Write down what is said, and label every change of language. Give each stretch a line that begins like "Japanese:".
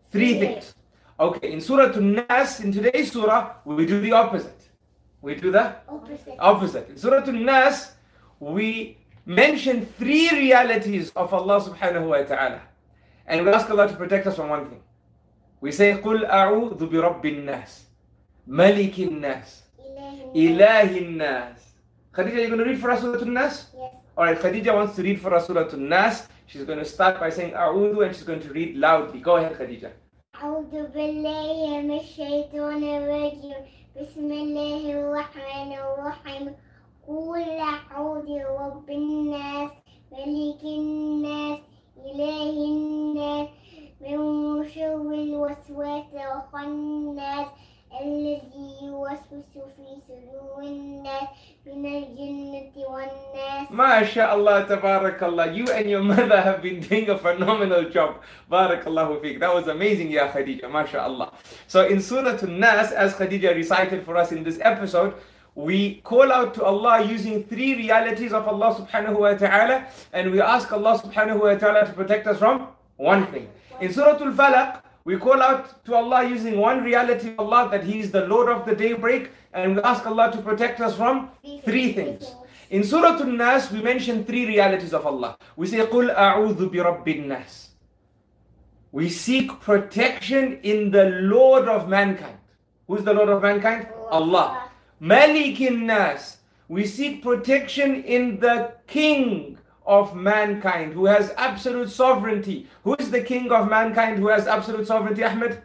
English: Three things. Okay, in Surah An-Nas, in today's surah, we do the opposite. We do the opposite. In Surah An-Nas, we mention three realities of Allah subhanahu wa ta'ala, and we ask Allah to protect us from one thing. We say,
Arabic: قُلْ أَعُوذُ بِرَبِّ النَّاسِ مَلِكِ النَّاسِ إِلَهِ النَّاسِ.
English: Khadija, are you going to read for us Surah An-Nas? Yes. Alright, Khadija wants to read for us Surah An-Nas. She's going to start by saying أَعُوذُ, and she's going to read loudly. Go ahead, Khadija.
Arabic: أَعُوذُ بِاللَّهِ مِنَ الشَّيْطَانِ الرَّجِيمِ بِسْمِ اللَّهِ الرَّحْمَنِ الرَّحِيمِ قُلْ أَعُوذُ بِرَبِّ النَّاسِ مَلِكِ النَّاسِ إِلَهِ النَّاسِ من شر الوسواس الخناس الذي يوسوس في صدور الناس من الجنة والناس. ما شاء الله تبارك الله.
English: You and your mother have been doing a phenomenal job.
Arabic: بارك الله فيك.
English: That was amazing, يا خديجة.
Arabic: ما شاء الله.
English: So in Surah An-Nas, as Khadija recited for us in this episode, we call out to Allah using three realities of Allah subhanahu wa ta'ala, and we ask Allah subhanahu wa ta'ala to protect us from one thing. In Surah Al-Falaq, we call out to Allah using one reality of Allah, that He is the Lord of the daybreak, and we ask Allah to protect us from three things. In Surah An-Nas, we mention three realities of Allah. We say,
Arabic: قُلْ أَعُوذُ بِرَبِّ النَّاسِ.
English: We seek protection in the Lord of mankind. Who is the Lord of mankind?
Arabic: Allah. مَلِكِ النَّاسِ.
English: We seek protection in the King of mankind, who has absolute sovereignty. Who is the King of mankind who has absolute sovereignty, Ahmed?